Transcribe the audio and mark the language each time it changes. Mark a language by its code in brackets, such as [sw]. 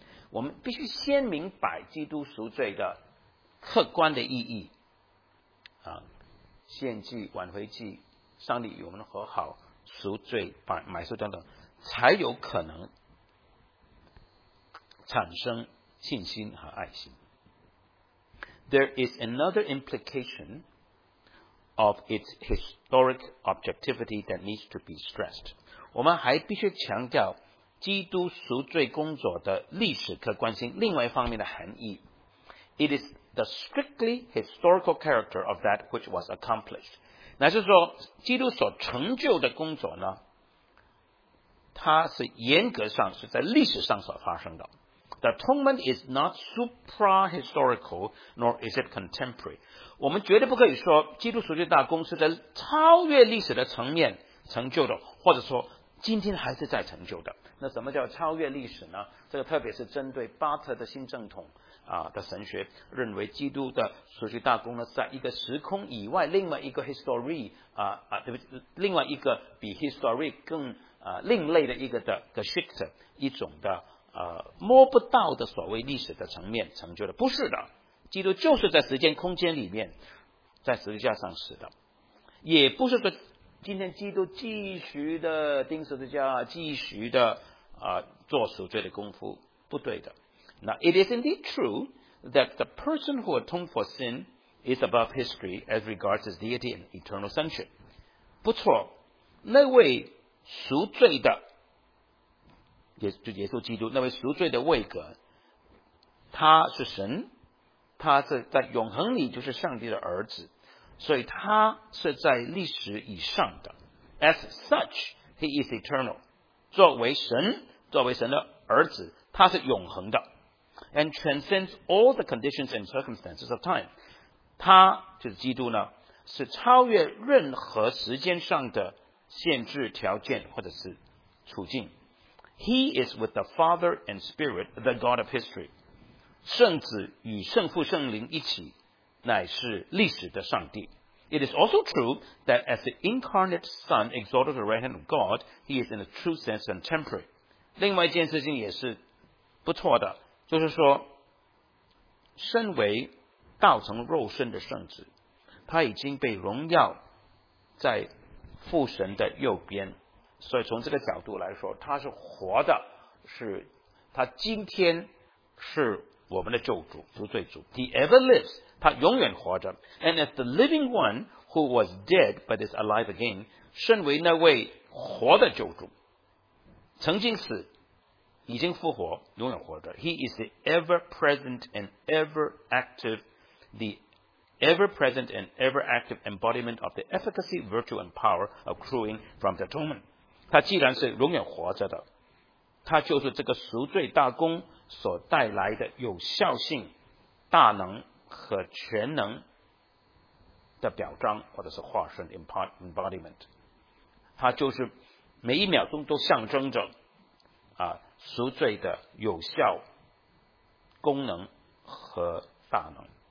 [zh] 我们必须先明白基督赎罪的客观的意义献祭、挽回祭、上帝与我们和好、赎罪、买赎等等，才有可能产生信心和爱心。 [en] There is another implication of its historic objectivity that needs to be stressed。 [zh] 我们还必须强调基督赎罪工作的历史客观性，另外一方面的含义。 [en] It is the strictly historical character of that which was accomplished。 [zh] 那是说基督所成就的工作呢，它是严格上是在历史上所发生的。 [en] The atonement is not supra-historical, nor is it contemporary。 [zh] 我们绝对不可以说基督赎罪大功是在超越历史的层面成就的，或者说今天还是在成就的。那什么叫超越历史呢？这个特别是针对巴特的新正统的神学，认为基督的赎罪大功呢，在一个时空以外，另外一个 history 另外一个比 history 更另类的一个的 geschichte 一种的摸不到的所谓历史的层面成就的。不是的，基督就是在时间空间里面在十字架上死的，也不是说今天基督继续的钉十字架，继续的做赎罪的功夫，不对的。 [en] Now it is indeed true that the person who atoned for sin is above history as regards his deity and eternal sonship。 [zh] 不错，那位赎罪的耶稣基督，那位赎罪的位格，他是神，他是在永恒里就是上帝的儿子，所以他是在历史以上的。 [en] As such he is eternal， [zh] 作为神，作为神的儿子，他是永恒的。 [en] And transcends all the conditions and circumstances of time， [zh] 他就是基督呢，是超越任何时间上的限制条件或者是处境。 [en] He is with the Father and Spirit, the God of history。 [zh] 圣子与圣父圣灵一起乃是历史的上帝。 [en] It is also true that as the incarnate Son exalted the right hand of God, He is in a true sense contemporary。 [zh] 另外一件事情也是不错的，就是说身为道成肉身的圣子，他已经被荣耀在父神的右边。所以从这个角度来说，他是活的，是他今天是我们的救主、赎罪主。 [en] He ever lives, [zh] 他永远活着。 [en] And as the living one who was dead but is alive again, [zh] 身为那位活的救主，曾经死，已经复活，永远活着。 [en] He is the ever present and ever active, the ever present and ever active embodiment of the efficacy, virtue and power accruing from the atonement. [zh] 他既然是永远活着的，他就是这个赎罪大功所带来的有效性、大能和全能的表彰，或者是化身 embodiment。他就是每一秒钟都象征着啊赎罪的有效功能和大能。